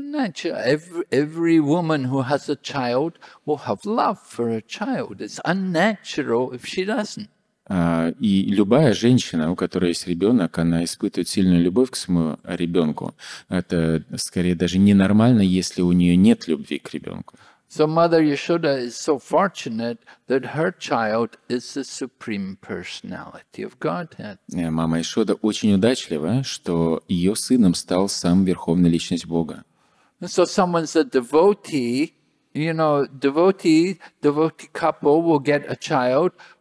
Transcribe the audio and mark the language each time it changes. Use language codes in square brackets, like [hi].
[en] Every woman who has a child will have love for her child. It's unnatural if she doesn't. [ru] И любая женщина, у которой есть ребенок, она испытывает сильную любовь к своему ребенку. Это скорее даже ненормально, если у нее нет любви к ребенку. [en] So Mother Yashoda is so fortunate that her child is the supreme personality of Godhead. [ru] Мама Яшода очень удачлива, что ее сыном стал сам верховная личность Бога. [en] So someone's a devotee, you know, devotee couple will get a child.